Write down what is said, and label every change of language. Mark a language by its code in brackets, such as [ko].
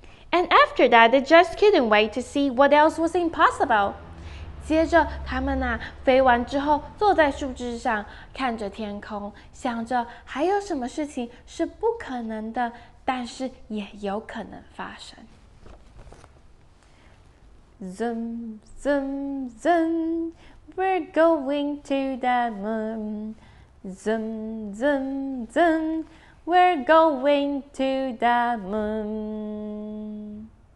[en] And after that, they just couldn't wait to see what else was impossible. [zh] 接着他们啊，飞完之后坐在树枝上看着天空，想着还有什么事情是不可能的，但是也有可能发生。 [en] Zoom, zoom, zoom, we're going to the moon. Zoom, zoom, zoom, we're going to the moon.